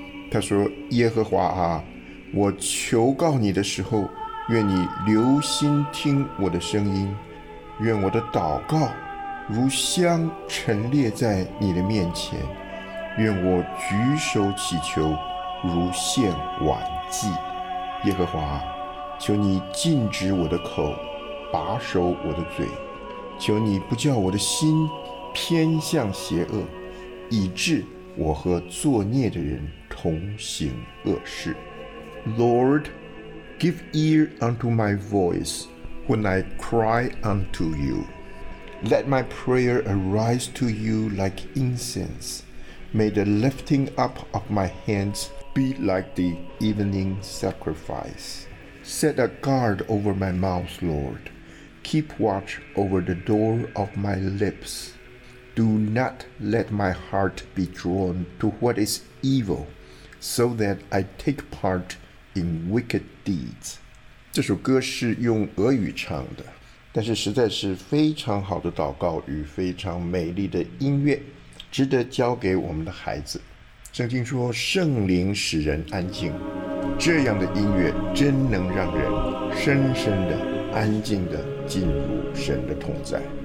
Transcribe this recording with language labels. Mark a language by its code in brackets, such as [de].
[zh] 他说：耶和华啊，我求告你的时候，愿你留心听我的声音，愿我的祷告如香陈列在你的面前，愿我举手祈求如献晚祭。耶和华，求你禁止我的口，把守我的嘴，求你不叫我的心偏向邪恶，以致我和作孽的人同行恶事。 [en] Lord, give ear unto my voice when I cry unto you. Let my prayer arise to you like incense. May the lifting up of my hands be like the evening sacrifice. Set a guard over my mouth, Lord. Keep watch over the door of my lips. Do not let my heart be drawn to what is evil, so that I take part in wicked deeds. [zh] 这首歌是用俄语唱的，但是实在是非常好的祷告与非常美丽的音乐，值得教给我们的孩子。圣经说圣灵使人安静，这样的音乐真能让人深深的安静的进入神的同在。